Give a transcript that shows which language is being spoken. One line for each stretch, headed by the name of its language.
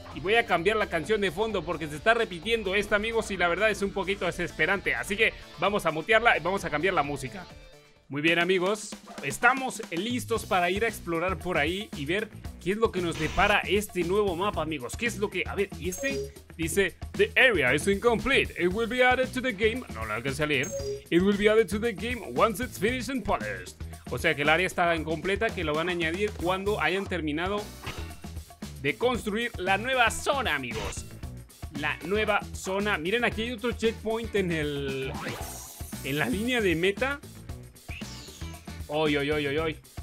Spanish: Y voy a cambiar la canción de fondo porque se está repitiendo esta, amigos. Y la verdad es un poquito desesperante. Así que vamos a mutearla y vamos a cambiar la música. Muy bien, amigos. Estamos listos para ir a explorar por ahí y ver qué es lo que nos depara este nuevo mapa, amigos. ¿Qué es lo que...? A ver, ¿y este...?
English: Dice, the area is incomplete. It will be added to the game.
Spanish: No lo alcancé a leer.
English: It will be added to the game once it's finished and polished.
Spanish: O sea que el área está incompleta, que lo van a añadir cuando hayan terminado de construir la nueva zona, amigos. La nueva zona. Miren, aquí hay otro checkpoint en la línea de meta. Oy, oy, oy, oy, oy.